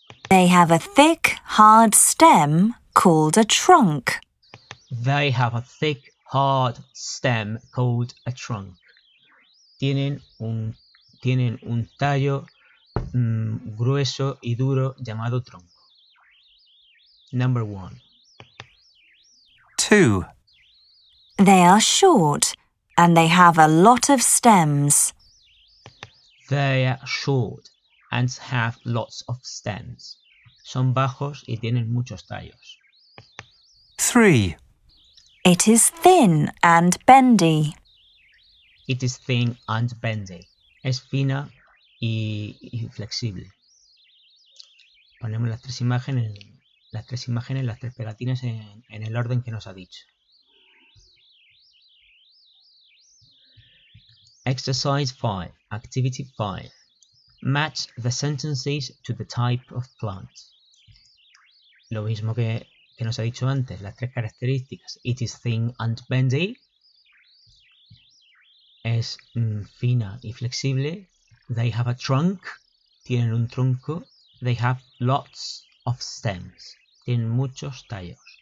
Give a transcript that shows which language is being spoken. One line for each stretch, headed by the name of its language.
English: They have a thick, hard stem called a trunk. They have a thick, hard stem called a trunk.
Spanish: Tienen un tallo grueso y duro llamado tronco.
English: Number 1. 2. They are short and they have a lot of stems. They are short and have lots of stems.
Spanish: Son bajos y tienen muchos tallos.
English: 3. It is thin and bendy. It is thin and bendy.
Spanish: Es fina y flexible. Ponemos las tres pegatinas en el orden que nos ha dicho.
English: Exercise 5, activity 5. Match the sentences to the type of plant.
Spanish: Lo mismo que nos ha dicho antes, las tres características.
English: It is thin and bendy.
Spanish: Es fina y flexible.
English: They have a trunk,
Spanish: tienen un tronco.
English: They have lots of stems,
Spanish: tienen muchos tallos.